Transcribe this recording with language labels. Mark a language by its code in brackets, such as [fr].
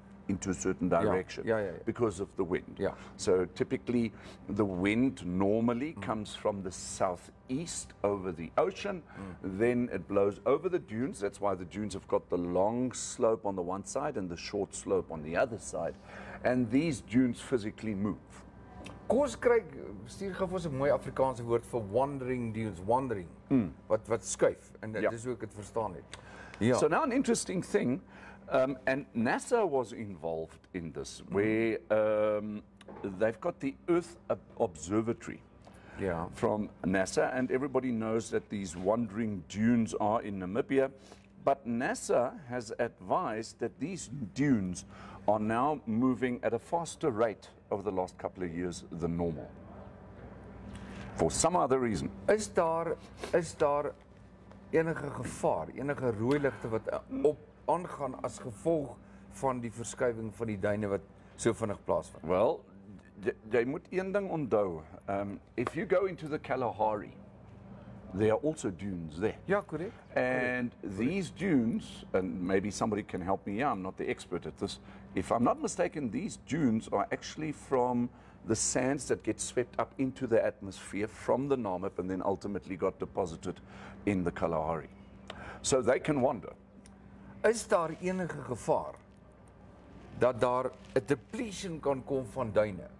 [en] Into a certain direction because of the wind. Yeah. So typically the wind normally comes from the southeast over the ocean, then it blows over the dunes. That's why the dunes have got the long slope on the one side and the short slope on the other side. And these dunes physically move. [af] Kos kry stuur gou vir ons 'n mooi Afrikaanse woord vir [en] wandering dunes, wandering. [af] Wat skuif en dit is hoe ek dit verstaan het. [en] Yeah. So now an interesting thing. And NASA was involved in this, where they've got the Earth Observatory. from NASA, and everybody knows that these wandering dunes are in Namibia. But NASA has advised that these dunes are now moving at a faster rate over the last couple of years than normal. For some other reason. [af] Is daar enige gevaar, enige rooi ligte wat op aangaan as gevolg van die verskuiving van die duine wat so vinnig plaasvind? Well, jy moet een ding onthou. [en] If you go into the Kalahari, there are also dunes there. Yeah, correct. And correct. These dunes, and maybe somebody can help me, I'm not the expert at this. If I'm not mistaken, these dunes are actually from the sands that get swept up into the atmosphere from the Namib and then ultimately got deposited in the Kalahari. So they can wander. [af] Is daar enige gevaar dat daar [en] a depletion [af] kan kom van duine?